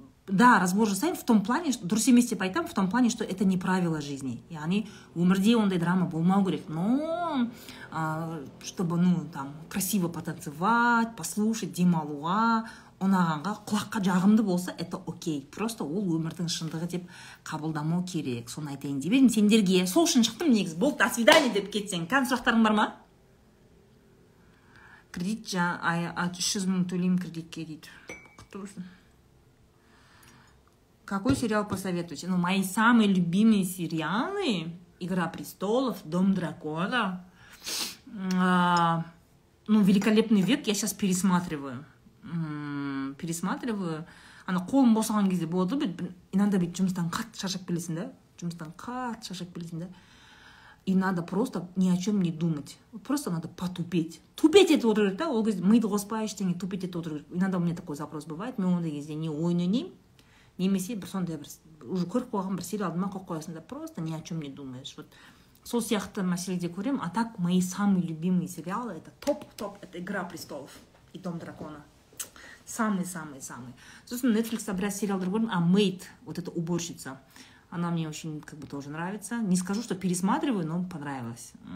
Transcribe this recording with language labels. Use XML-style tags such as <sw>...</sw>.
<ru>Да, разбор жасаймын в том плане, что</ru> <kk>дұрыс емес деп айтам,</kk> <ru>в том плане, что это не правило жизни.</ru> <kk>Яғни өмірде ондай драма болмау керек.</kk> <ru>Но, чтобы, ну, там, красиво потанцевать, послушать,</ru> <kk>демалуға, ұнағанға, құлаққа жағымды болса,</kk> <ru>это окей.</ru> <kk>Просто ол өмірдің шындығы деп қабылдамау керек. Соны айтайын деп едім сендерге. Сол үшін шықтым негіз. Болды,</kk> <ru>до свидания</ru> <kk>деп кетсең. Қан сұрақтарың бар ма? Кредит жа, 300 мың төлеймін кредитке дейді. Құтты болсын.</kk> <ru>Какой сериал посоветуете? Ну, мои самые любимые сериалы. Игра престолов, Дом дракона. Ну, Великолепный век я сейчас пересматриваю. Пересматриваю.</ru> <kk>Ана қолым босаған кезде болады бе, иногда бүйтіп жұмыстан қатты шаршап келесің да,</kk> <ru>и надо просто ни о чем не думать, просто надо потупеть.</ru> <kk>Тупеть етіп отыру керек та, ол кезде миды қоспай ештеңе тупеть етіп отыру керек.</kk> <ru>Иногда у меня такой запрос бывает,</ru> <kk>мен ондай кезде не ойын ойнаймын, немесе бір сондай бір уже көріп қойған бір сериалды ма қойып қоясың да,</kk> <ru>просто ни о чем не думаешь. Вот</ru> <kk>сол сияқты мәселеде көремін.</kk> <ru>А так мои самые любимые сериалы — это топ-топ, это «Игра престолов» и «Дом дракона». Самый-самый-самый.</ru> <kk>Сосын Netflix-та біраз сериалдар көрдім,</kk> <ru>а Maid, вот эта уборщица, она мне очень как бы тоже нравится. Не скажу, что пересматриваю, но понравилось.</ru>